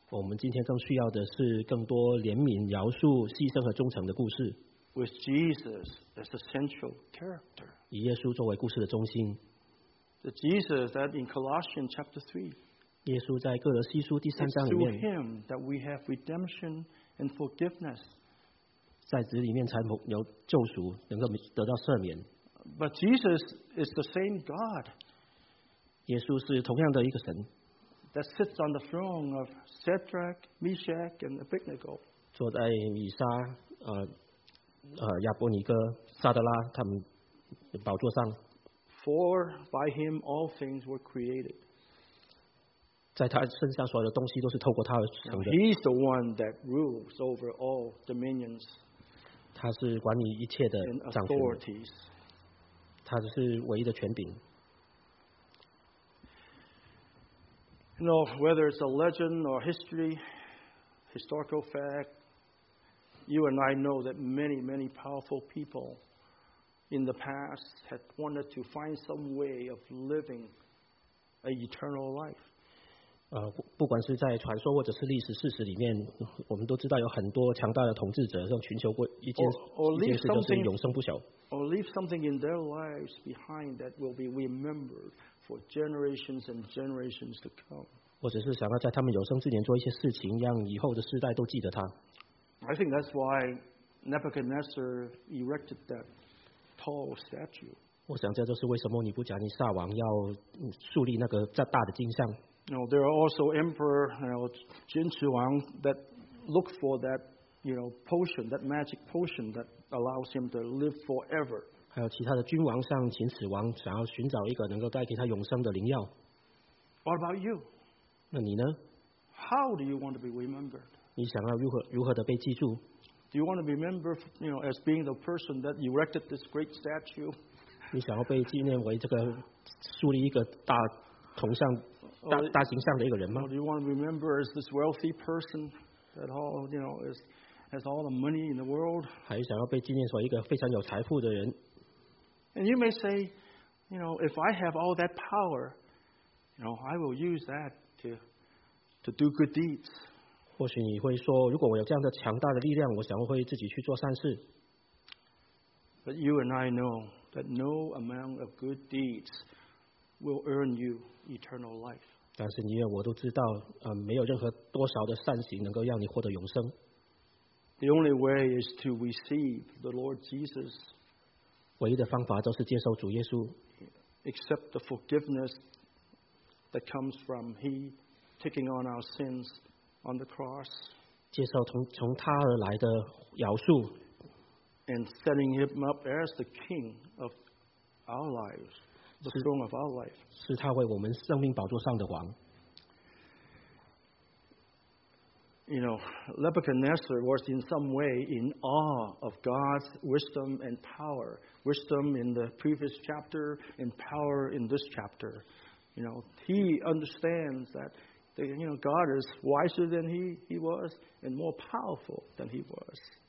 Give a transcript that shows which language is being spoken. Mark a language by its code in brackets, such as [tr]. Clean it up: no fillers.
[zh] 我们今天更需要的是更多怜悯、饶恕、牺牲和忠诚的故事。 [en] With Jesus as the central character. [zh] 以耶稣作为故事的中心。 [en] The Jesus that in Colossians chapter 3. [zh] 耶稣在哥罗西书第三章里面。 [en] It's through him that we have redemption and forgiveness. [zh] 在子里面才有救赎，能够得到赦免。 [en] But Jesus is the same God. [zh] 耶稣是同样的一个神。 [en] That sits on the throne of Shadrach, Meshach, and Abednego. [zh] 坐在以撒亚伯尼哥、撒德拉他们的宝座上。 [en] For by him all things were created. [zh] 在他身上所有的东西都是透过他而成的。 [en] He is the one that rules over all dominions. [zh] 他是管理一切的掌权的。他是唯一的权柄。 [en] You know, whether it's a legend or history, historical fact. You and I know that many, many powerful people in the past had wanted to find some way of living an eternal life. [zh] 不管是在传说或者是历史事实里面，我们都知道有很多强大的统治者正寻求过一件事，就是永生不朽。 [en] Or leave something in their lives behind that will be remembered for generations and generations to come. [zh] 或者是想要在他们有生之年做一些事情，让以后的世代都记得他。 [en] I think that's why Nebuchadnezzar erected that tall statue. [zh] 我想这就是为什么尼布甲尼撒王要树立那个大的金像。 [en] No, there are also emperor, you know, 秦始皇 that look for that, you know, potion, that magic potion that allows him to live forever. [zh] 还有其他的君王，像秦始皇想要寻找一个能够带给他永生的灵药。 [en] What about you? [zh] 那你呢？ [en] How do you want to be remembered? [zh] 你想要如何的被记住？ [en] Do you want to remember, you know, as being the person that erected this great statue? [zh] 你想要被纪念为这个树立一个大铜像、大形象的一个人吗？ [en] Do you want to remember as this wealthy person that all, you know, is has all the money in the world? [zh] 还想要被纪念为一个非常有财富的人？ [en] And you may say, you know, if I have all that power, you know, I will use that to do good deeds. [zh] 或许你会说，如果我有这样的强大的力量，我想会自己去做善事。 [en] But you and I know that no amount of good deeds will earn you eternal life. [zh] 但是你也我都知道，没有任何多少的善行能够让你获得永生。 [en] The only way is to receive the Lord Jesus. [zh] 唯一的方法就是接受主耶稣。 [en] Accept the forgiveness that comes from He taking on our sins on the cross. [zh] 接受从他而来的饶恕。 [en] And setting Him up as the King of our lives, the throne of our life. [zh] 是他为我们生命宝座上的王。 [en] You know, Nebuchadnezzar was in some way in awe of God's wisdom and power. Wisdom in the previous chapter and power in this chapter. You know, he understands that the, you know, God is wiser than he was and more powerful than he was.